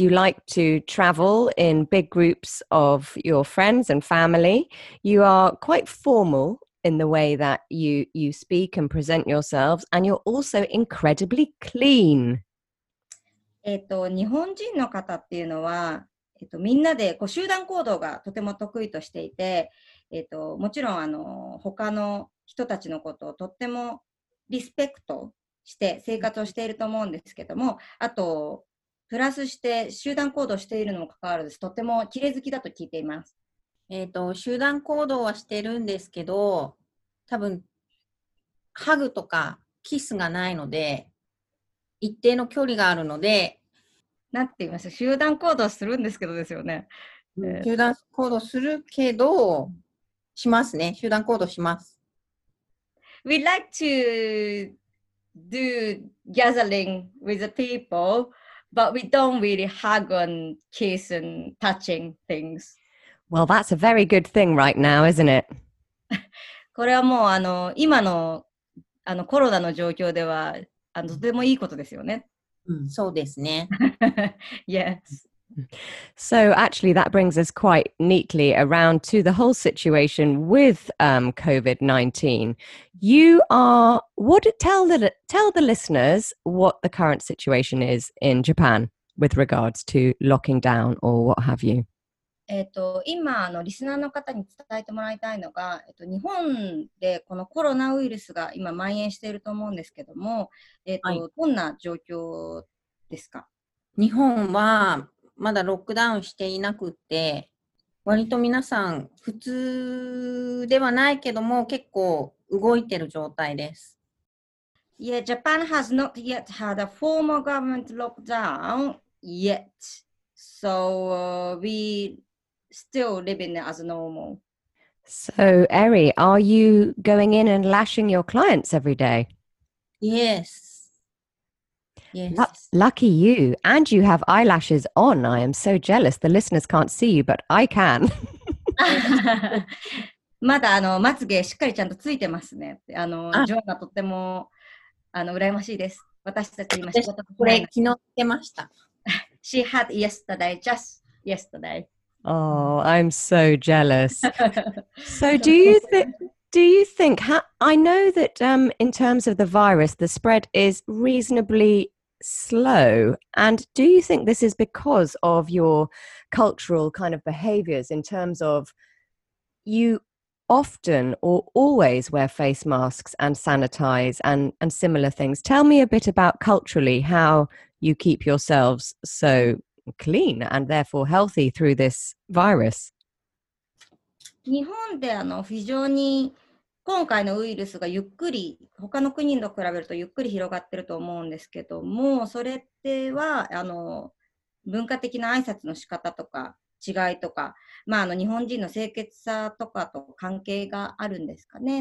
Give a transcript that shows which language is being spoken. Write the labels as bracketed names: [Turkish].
[English] You like to travel in big groups of your friends and family. You are quite formal in the way that you speak and present yourselves. And you're also incredibly clean. [Japanese] 日本人の方っていうのは、みんなでこう集団行動がとても得意としていて、もちろん他の人たちのことをとってもリスペクトして生活をしていると思うんですけども、あとプラスして集団行動しているのも関わらず、とても綺麗好きだと聞いています。集団行動はしてるんですけど、多分ハグとかキスがないので、一定の距離があるので、なんて言いました？集団行動するんですけどですよね。集団行動するけど、しますね。集団行動します。 [English] We like to do gathering with the people, but we don't really hug and kiss and touching things. Well, that's a very good thing right now, isn't it? [Japanese] これはもう今の、コロナの状況ではとてもいいことですよね。そうですね。 [English] Yes. So actually that brings us quite neatly around to the whole situation with COVID-19. Tell the listeners what the current situation is in Japan with regards to locking down or what have you. [Japanese] 今リスナーの方に伝えてもらいたいのが、日本でこのコロナウイルスが今蔓延していると思うんですけども、どんな状況ですか？日本はまだロックダウンしていなくて、割と皆さん普通ではないけども結構動いてる状態です。 [English] Yeah, Japan has not yet had a formal government lockdown yet. So we still living as normal. So, Eri, are you going in and lashing your clients every day? Yes. Yes. Lucky you. And you have eyelashes on. I am so jealous. The listeners can't see you, but I can. [Japanese] まだまつげしっかりちゃんとついてますね。ジョアがとっても羨ましいです。私たち今仕事が。これ昨日つけました。 [English] She had yesterday, just yesterday. Oh, I'm so jealous. So do you think, I know that in terms of the virus, the spread is reasonably... slow. And do you think this is because of your cultural kind of behaviors in terms of you often or always wear face masks and sanitize and similar things? Tell me a bit about culturally how you keep yourselves so clean and therefore healthy through this virus. [Japanese] 日本で非常に今回のウイルスがゆっくり、他の国と比べるとゆっくり広がってると思うんですけども、それっては、文化的な挨拶の仕方とか違いとか、まあ、日本人の清潔さとかと関係があるんですかね。